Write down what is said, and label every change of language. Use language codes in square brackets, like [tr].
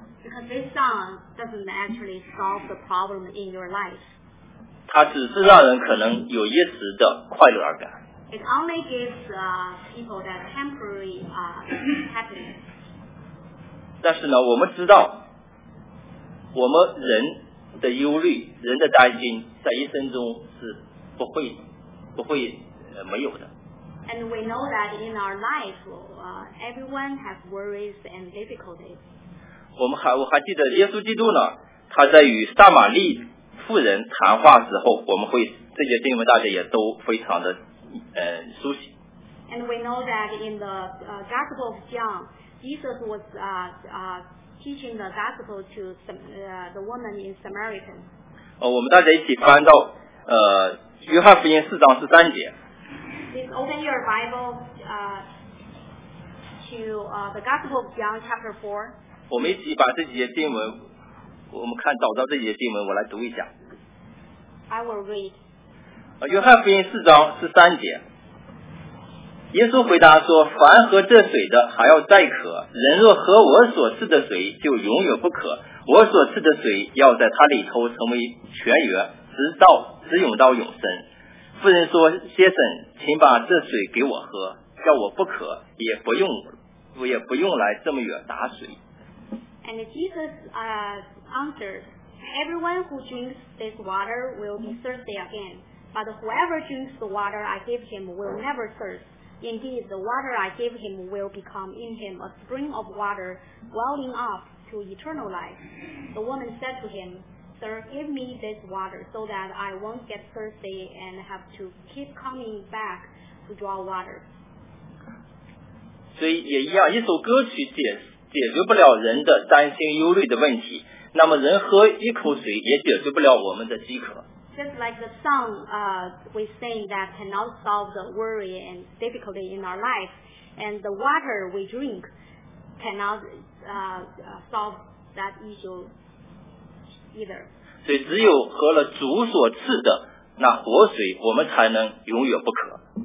[en] Because this song doesn't actually solve the problem in your life. [zh] 它只是让人可能有一时的快乐而感。 [en] It only gives people that temporary happiness. [zh] 但是呢，我们知道，我们人的忧虑、人的担心，在一生中是不会没有的。 [en] And we know that in our life, everyone has worries and difficulties. [zh] 我还记得耶稣基督呢，他在与撒玛利妇人谈话时候，我们会这些经文大家也都非常的熟悉。 [en] And we know that in the Gospel of John, Jesus was teaching the gospel to the woman in Samaria. [zh] 我们大家一起翻到约翰福音四章十三节。 [en] Please open your Bible to the Gospel of John chapter 4. [zh] 我们一起把这几节经文，我们看找到这几节经文，我来读一下。 [en] I will read。 [zh] 约翰福音四章十三节，耶稣回答说：“凡喝这水的，还要再渴。人若喝我所赐的水，就永远不渴。我所赐的水要在他里头成为泉源，直涌到永生。” 妇人说：“先生，请把这水给我喝，叫我不渴，也不用来这么远打水。” [en] And Jesus answered, "Everyone who drinks this water will be thirsty again. But whoever drinks the water I give him will never thirst. Indeed, the water I give him will become in him a spring of water welling up to eternal life." The woman said to him, "Sir, give me this water so that I won't get thirsty and have to keep coming back to draw water." [zh] 所以也一样，一首歌曲解决不了人的担心忧虑的问题，那么人喝一口水也解决不了我们的饥渴。 [en] Just like the song, we sing that cannot solve the worry and difficulty in our life, and the water we drink cannot solve that issue either. [zh] 所以只有喝了主所赐的那活水，我们才能永远不渴。